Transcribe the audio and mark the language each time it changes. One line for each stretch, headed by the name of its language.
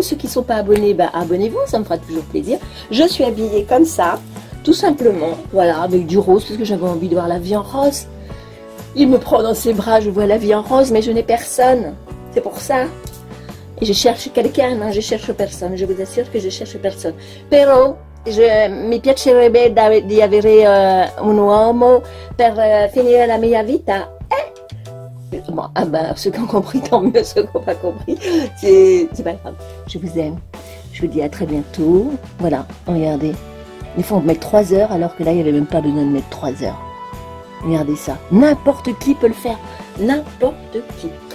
French: Ceux qui ne sont pas abonnés, bah, abonnez-vous, ça me fera toujours plaisir. Je suis habillée comme ça, tout simplement, voilà, avec du rose, parce que j'avais envie de voir la vie en rose. Il me prend dans ses bras, je vois la vie en rose, mais je n'ai personne. C'est pour ça. Et je cherche quelqu'un, hein, je cherche personne. Je vous assure que je cherche personne.
Italian: Però, je mi piacerebbe di avere un uomo per finire la mia vita. Eh?
French: Bon, ah ben, ceux qui ont compris, tant mieux, ceux qui n'ont pas compris. C'est pas grave. Je vous aime. Je vous dis à très bientôt. Voilà, regardez. Des fois, on met 3 heures, alors que là, il n'y avait même pas besoin de mettre 3 heures. Regardez ça, n'importe qui peut le faire, n'importe qui.